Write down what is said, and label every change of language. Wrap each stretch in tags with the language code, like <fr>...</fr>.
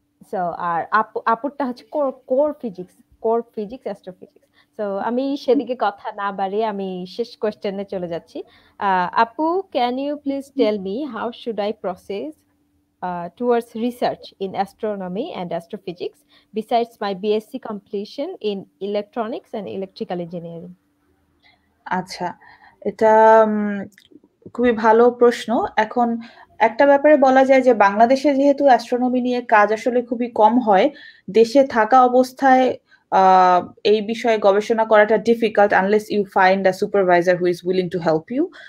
<bn>So আর আপুরটা হচ্ছে core physics astrophysics. So আমি সেদিকে কথা না বাড়িয়ে আমি শেষ কোয়েশ্চেনে চলে যাচ্ছি।</bn> <en>আপু can you please tell me how should I process towards research in astronomy and astrophysics besides my BSc completion in electronics and electrical engineering?</en> <bn>Acha, eta khubi bhalo proshno. Ekhon একটা ব্যাপারে বলা যায় যে বাংলাদেশে যেহেতু অ্যাস্ট্রোনমি নিয়ে কাজ আসলে খুবই কম হয়, দেশে থাকা অবস্থায় এই বিষয়ে গবেষণা করাটা difficult</bn> <en>Unless you find a supervisor who is willing to help you.</en>